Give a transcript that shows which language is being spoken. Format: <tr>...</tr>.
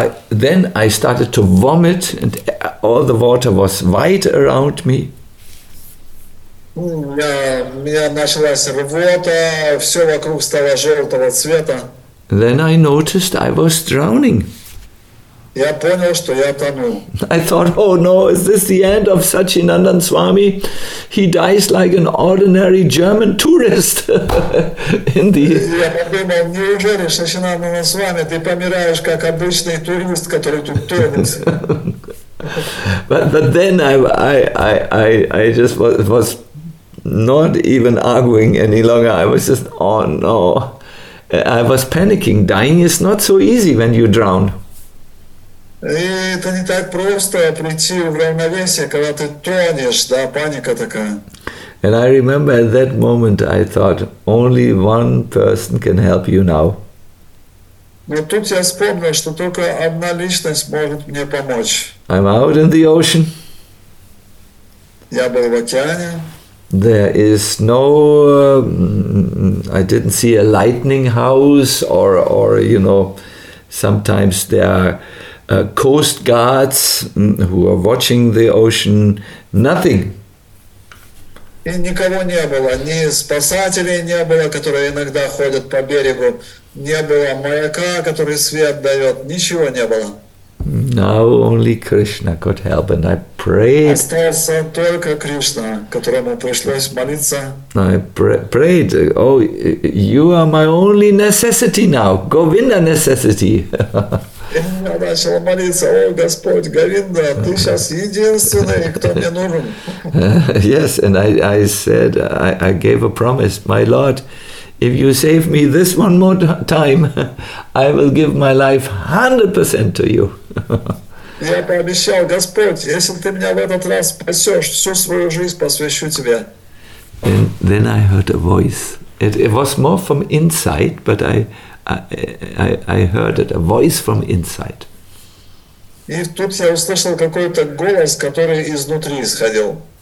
<en>Then I started to vomit, and all the water was white around me.</en> <ru>У меня началась рвота, все вокруг стало желтого цвета.</ru> <en>Then I noticed I was drowning.</en> <ru>Я понял, что я тону.</ru> <en>I thought, oh no, is this the end of Satchinandan Swami? He dies like an ordinary German tourist. In the...</en> <ru>Я подумал, неужели Сачинандана Свами, ты помираешь как обычный турист, который тут тонет?</ru> <en>But then I just was not even arguing any longer. I was just, oh no. I was panicking. Dying is not so easy when you drown.</en> <ru>И это не так просто прийти в равновесие, когда ты тонешь, да, паника такая.</ru> <en>And I remember at that moment I thought, only one person can help you now.</en> <ru>Но тут я вспомнил, что только одна личность может мне помочь.</ru> <en>I'm out in the ocean.</en> <ru>Я был в океане.</ru> <en>There is no, I didn't see a lightning house or you know, sometimes there are coast guards who are watching the ocean, nothing.</en> <ru>И никого не было, ни спасателей не было, которые иногда ходят по берегу, не было маяка, который свет дает, ничего не было.</ru> <en>Now only Krishna could help, and I prayed.</en> <ru>Остался только Кришна, которому пришлось молиться.</ru> <en>I prayed, oh, you are my only necessity now, Govinda necessity.</en> <ru>Я начал молиться, о Господь, Говинда, ты сейчас единственный, кто мне нужен.</ru> <en>Yes, and I said, I gave a promise, my Lord, if you save me this one more time, I will give my life 100% to you.</en> <ru>Я пообещал, Господь, если ты меня в этот раз спасешь, всю свою жизнь посвящу тебе.</ru> <en>And then I heard a voice. It was more from inside, but I heard it, a voice from inside.</en> <ru>И тут я услышал какой-то голос, который изнутри исходил.</ru>